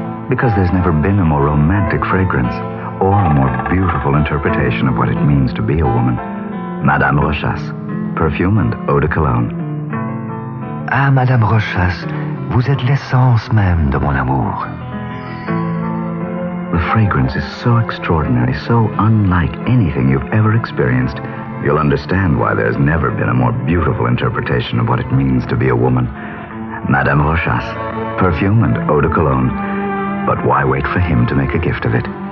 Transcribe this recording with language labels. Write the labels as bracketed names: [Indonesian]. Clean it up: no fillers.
[English] Because there's never been a more romantic fragrance, or a more beautiful interpretation of what it means to be a woman. Madame Rochas, perfume and eau de cologne. [French] Ah, Madame Rochas, vous êtes l'essence même de mon amour. [English] The fragrance is so extraordinary, so unlike anything you've ever experienced, you'll understand why there's never been a more beautiful interpretation of what it means to be a woman. Madame Rochas, perfume and eau de cologne. But why wait for him to make a gift of it?